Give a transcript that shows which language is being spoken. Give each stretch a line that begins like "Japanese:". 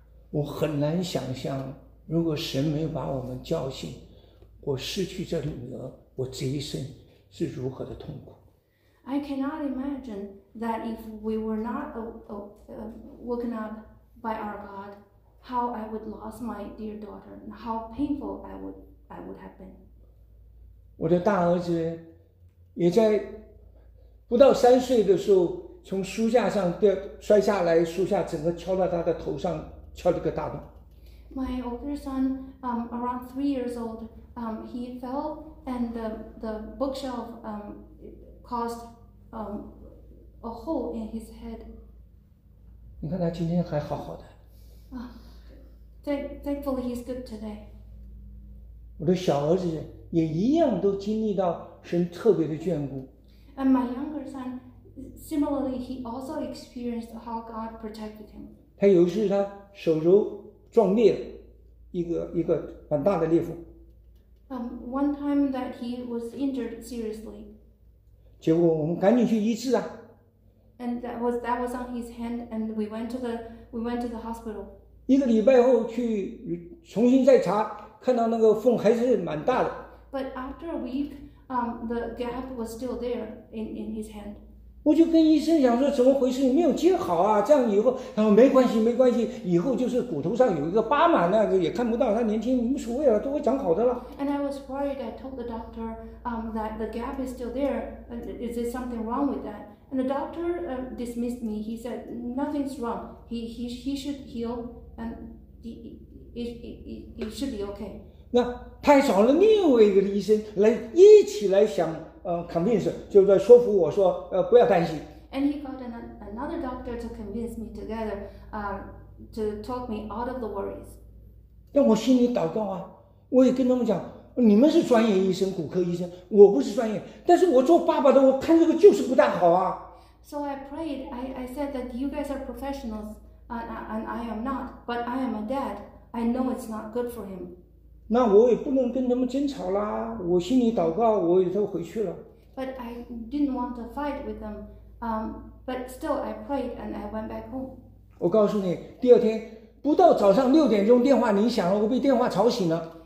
Chinese: 我很难想象，如果神没有把我们叫醒，我失去这女儿，我这一生是如何的痛苦。
English: I cannot imagine that if we were not woken up by our God, how I would lose my dear daughter, and how painful I would have been.
Chinese: 我的大儿子也在不到三岁的时候，从书架上掉摔下来，书架整个敲到他的头上，敲了个大洞。
English: My older son, around 3 years old, he fell and the bookshelf caused a hole in his head.
Chinese: 你看他今天还好好的。
English: Thankfully, he's good today.
Chinese: 我的小儿子也一样，都经历到神特别的眷顾。
English: And my younger son. Similarly, he also experienced how God protected him.
Chinese: 他有一次他手肘撞裂了，一个很大的裂缝。
English: One time that he was injured seriously.
Chinese: 结果我们赶紧去医治啊。
English: And that was on his hand, and we went to the hospital.
Chinese: 一个礼拜后去重新再查，看到那个缝还是蛮大的。
English: But after a week, the gap was still there in his hand.
Chinese: 我就跟医生讲说怎么回事，你没有接好啊，这样以后，他说没关系没关系，以后就是骨头上有一个疤嘛，那个也看不到，他年轻无所谓了，都会长好的了。
English: And I was worried, I told the doctor that the gap is still there, is there something wrong with that? And the doctor dismissed me, he said nothing's wrong, he should heal and it should be okay.
Chinese: 那他还找了另外一个医生来一起来想convince, 就在说服我说不要担心。
English: And he got another doctor to convince me together, to talk me out of the worries.
Chinese: 但我心里祷告啊，我也跟他们讲，你们是专业医生，骨科医生，我不是专业，但是我做爸爸的，我看这个就是不大好啊。
English: So I prayed, I said that you guys are professionals, and I am not, but I am a dad. I know it's not good for him.
Chinese: 那我也不能跟他们争吵啦，我心里祷告，我也就回去了。
English: But I didn't want to fight with them. But still I prayed and I went back home.
Chinese: 我告诉你，第二天不到早上六点钟电话铃响了，我被电话吵醒了。